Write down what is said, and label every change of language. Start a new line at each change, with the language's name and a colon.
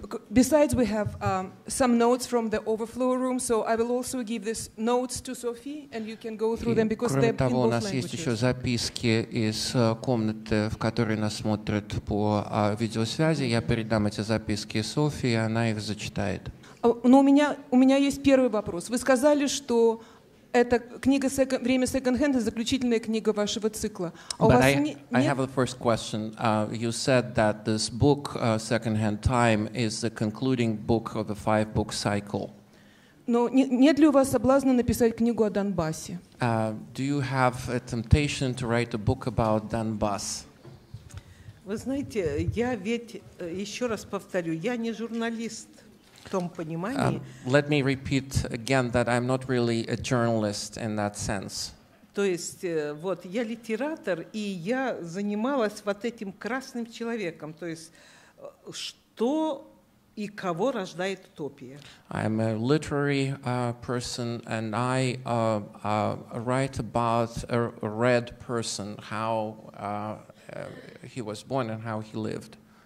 English: Besides, we have some notes from the overflow room, so I will also give these notes to Sophie, and you can go through them because they're in both languages.
Russian: Кроме того, у нас есть еще записки из комнаты, в которой нас смотрят по видеосвязи. Я передам эти записки Софии, и она их зачитает. Но у меня есть первый вопрос. Вы сказали, что эта книга «Время секонд-хенда» — заключительная книга вашего цикла.
English: I have a first question. You said that this book, «Secondhand Time», is the concluding book of the five-book cycle.
Russian: Но нет ли у вас соблазна написать книгу о Донбассе?
English: Do you have a temptation to write a book about Donbass?
Russian: Вы знаете, я ведь, еще раз повторю, я не журналист.
English: Let me repeat again that I'm not really a journalist in that sense.
Russian: То есть, вот, я литератор, и я занималась вот этим красным человеком. То есть, что и кого рождает утопия?
English: I'm a literary person, and I write about a red person, how he was born and how he lived.